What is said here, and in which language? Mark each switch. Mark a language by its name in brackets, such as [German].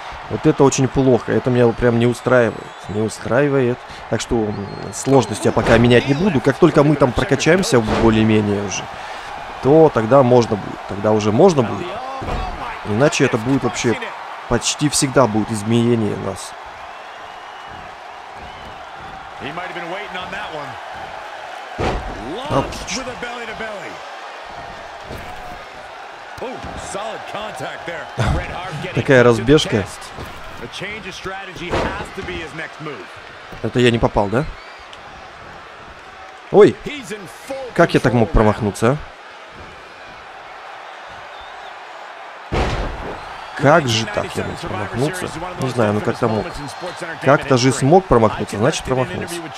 [Russian] Вот это очень плохо. Это меня прям не устраивает. Не устраивает. Так что сложности я пока менять не буду. Как только мы там прокачаемся более-менее уже, то тогда можно будет. Тогда уже можно будет. Иначе это будет вообще... Почти всегда будет изменение нас. [English] He might have been waiting on that one. Launched with a belly to belly. Oh, solid contact there. Red Hart getting. [Russian] Такая разбежка. [English] A change of strategy has to be his next move. [Russian] Это я не попал, да? Ой! Как я так мог промахнуться? Как же так я мог промахнуться? Не знаю, но как-то мог. Как-то же смог промахнуться, значит промахнулся.